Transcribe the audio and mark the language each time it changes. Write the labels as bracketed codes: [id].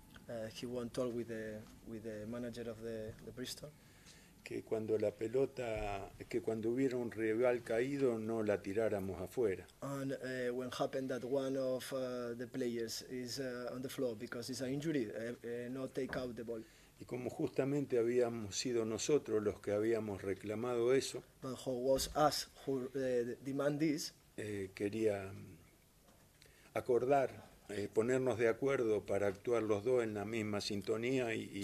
[en] He went all with the manager of the Bristol. [es] Que cuando la pelota, que cuando hubiera un rival caído, no la tiráramos afuera. [en] And when happened that one of the players is on the floor because it's an injury, no take out the ball. [es] Y como justamente habíamos sido nosotros los que habíamos reclamado eso, [en] but who was us who demand this, [es] quería acordar, ponernos de acuerdo para actuar los dos en la misma sintonía y